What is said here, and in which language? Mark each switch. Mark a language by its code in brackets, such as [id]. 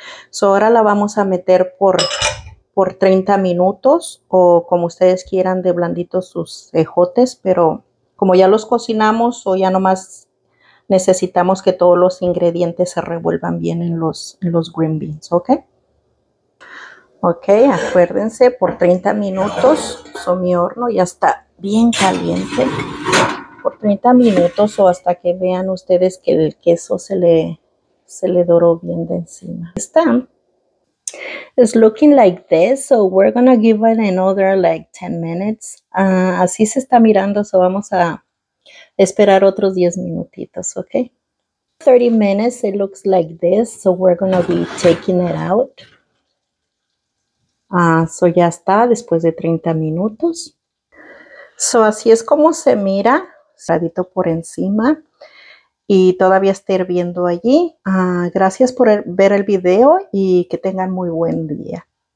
[es] So ahora la vamos a meter por 30 minutos o como ustedes quieran de blanditos sus ejotes, pero como ya los cocinamos o ya nomás necesitamos que todos los ingredientes se revuelvan bien en los green beans, ¿ok? Ok, acuérdense, por 30 minutos, so mi horno ya está bien caliente. 30 minutos o hasta que vean ustedes que el queso se le doró bien de encima. Está. [en] It's looking like this, so we're gonna give it another like 10 minutes. [es] Así se está mirando, so vamos a esperar otros 10 minutitos, ok? [en] 30 minutes, it looks like this, so we're gonna be taking it out. [es] So ya está, después de 30 minutos. So así es como se mira. Cerradito por encima y todavía está hirviendo allí. Gracias por ver el video y que tengan muy buen día.